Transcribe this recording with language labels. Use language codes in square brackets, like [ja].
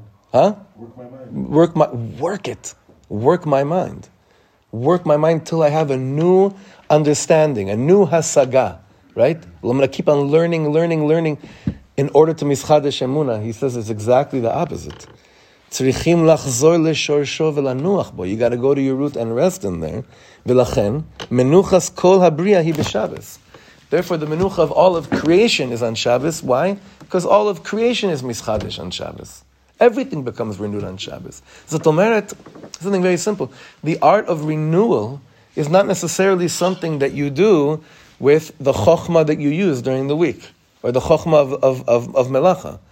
[en] Work my mind till I have a new understanding, a new hasaga, right? Well, I'm going to keep on learning in order to mischadesh emuna. He says it's exactly the opposite. [he] צריכים לחזור לשורשו ולנוח בו. [en] You got to go to your root and rest in there. [he] ולכן, מנוחס כל הבריאה היא בשבת. [en] Therefore, the menucha of all of creation is on Shabbos. Why? Because all of creation is mischadish on Shabbos. Everything becomes renewed on Shabbos. [he] Zot omeret, [en] something very simple. The art of renewal is not necessarily something that you do with the chokhmah that you use during the week, or the chokhmah of melacha.